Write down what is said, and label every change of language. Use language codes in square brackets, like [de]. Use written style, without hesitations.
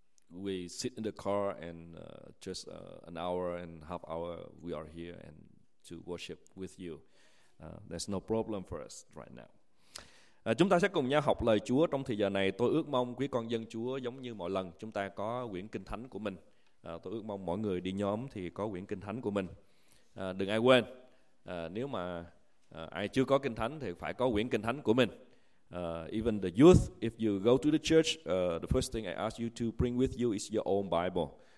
[en] We sit in the car, and just an hour and half hour we are here and to worship with you. There's no problem for us right now. [vi] Chúng ta sẽ cùng nhau học lời Chúa trong thời giờ này. Tôi ước mong quý con dân Chúa giống như mọi lần chúng ta có quyển kinh thánh của mình. Tôi ước mong mọi người đi nhóm thì có quyển kinh thánh của mình. Đừng ai quên, nếu mà ai chưa có kinh thánh thì phải có quyển kinh thánh của mình. [en] Even the youth, if you go to the church, the first thing I ask you to bring with you is your own Bible.